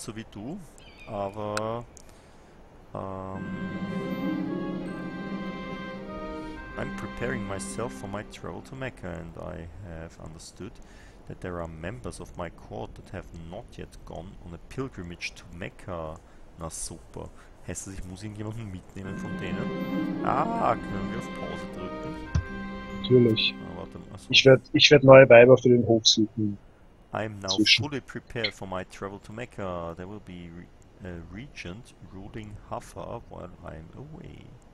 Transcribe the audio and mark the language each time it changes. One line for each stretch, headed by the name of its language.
German: so wie du, aber
English: I'm preparing myself for my travel to Mecca and I have understood that there are members of my court that have not yet gone on a pilgrimage to Mecca.
German: Na super. Heißt das, ich muss irgendjemanden mitnehmen von denen? Ah, können wir auf Pause drücken? Natürlich. Ah, warte mal. So. Ich werd neue Weiber für den Hof suchen.
English: I'm now fully prepared for my travel to Mecca. There will be a regent ruling Haffa while I'm away.